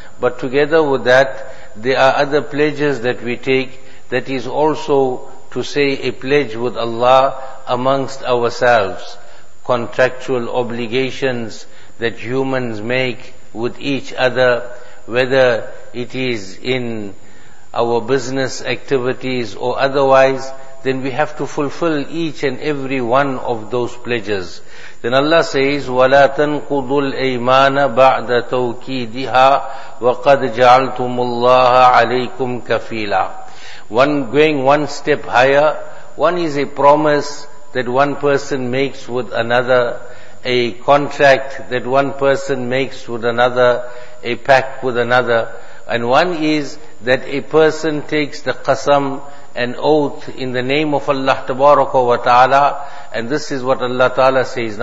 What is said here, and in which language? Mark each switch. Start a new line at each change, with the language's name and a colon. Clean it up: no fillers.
English: But together with that, there are other pledges that we take, that is also to say a pledge with Allah amongst ourselves, contractual obligations that humans make with each other, whether it is in our business activities or otherwise, then we have to fulfill each and every one of those pledges. Then Allah says,
Arabic: وَلَا تَنْقُضُوا الْأَيْمَانَ بَعْدَ تَوْكِيدِهَا وَقَدْ جَعَلْتُمُ اللَّهَ عَلَيْكُمْ كَفِيلًا.
English: One going one step higher, one is a promise that one person makes with another, a contract that one person makes with another, a pact with another, and one is that a person takes the qasam, an oath, in the name of Allah Tabaraka wa Ta'ala, and this is what Allah Ta'ala says.